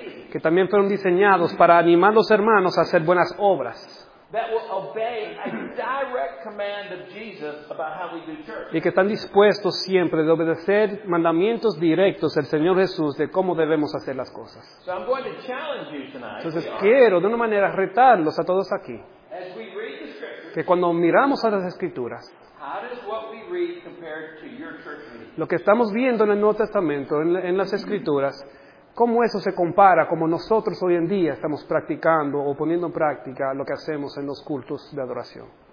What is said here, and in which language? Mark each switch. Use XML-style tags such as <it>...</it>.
<es>Que también fueron diseñados para animar a los hermanos a hacer buenas obras.</es> <en>That will obey a direct command of Jesus about how we do church.</en> <es>Y que están dispuestos siempre de obedecer mandamientos directos del Señor Jesús de cómo debemos hacer las cosas.</es> <en>So I'm going to challenge you tonight.</en> <es>Entonces quiero de una manera retarlos a todos aquí.</es> <en>As we read the scriptures,</en> <es>que cuando miramos a las Escrituras,</es> <en>how does what we read compare to your church meeting?</en> <es>Lo que estamos viendo en el Nuevo Testamento, en las Escrituras, ¿cómo eso se compara como nosotros hoy en día estamos practicando o poniendo en práctica lo que hacemos en los cultos de adoración?</es>